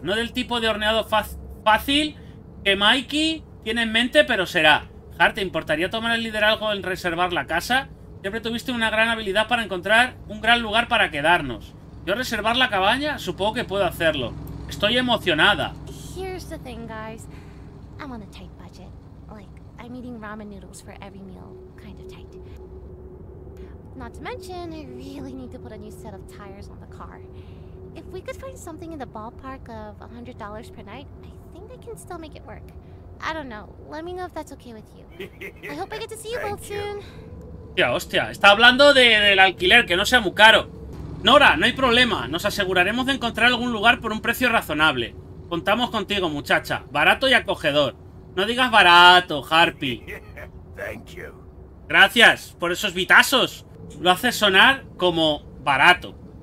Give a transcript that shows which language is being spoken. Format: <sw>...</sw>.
<es>No del tipo de horneado fácil que Mikey tiene en mente, pero será. Hart, ¿te importaría tomar el liderazgo en reservar la casa? Siempre tuviste una gran habilidad para encontrar un gran lugar para quedarnos. ¿Yo reservar la cabaña? Supongo que puedo hacerlo. Estoy emocionada.</es> <en>Here's the thing, guys. I'm on a tight budget. Like, I'm eating ramen noodles for every meal. Kind of tight. Not to mention, I really need to put a new set of tires on the car. If we could find something in the ballpark of $100 per night, I think I can still make it work. I don't know. Let me know if that's okay with you. I hope I get to see you both soon.</en> <es>Tía, hostia, está hablando del alquiler, que no sea muy caro. Nora, no hay problema. Nos aseguraremos de encontrar algún lugar por un precio razonable. Contamos contigo, muchacha. Barato y acogedor. No digas barato, Harpy.</es> <en>Thank you.</en> <es>Gracias por esos vitazos. Lo haces sonar como barato.</es>